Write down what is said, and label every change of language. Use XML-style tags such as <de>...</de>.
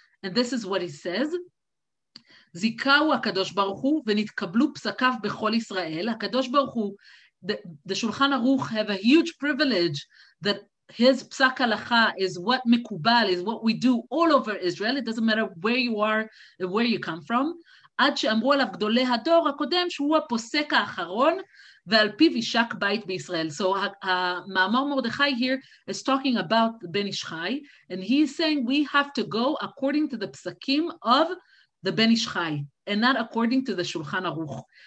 <en>And this is what he says.</en> <he>Zikahu HaKadosh Baruch Hu, ונתקבלו פסקיו בכל ישראל.</he> <en>HaKadosh Baruch Hu, the Shulchan Aruch have a huge privilege that his psak halacha is what mekubal, is what we do all over Israel. It doesn't matter where you are, where you come from.</en> <he>עד שאמרו עליו גדולי הדור הקודם שהוא הפוסק האחרון ועל פיו ישק בית בישראל.</he> <en>So המאמר מרדכי here is talking about the Ben Ish Chai, and he is saying we have to go according to the psakim of the Ben Ish Chai and not according to the Shulchan Aruch.</en>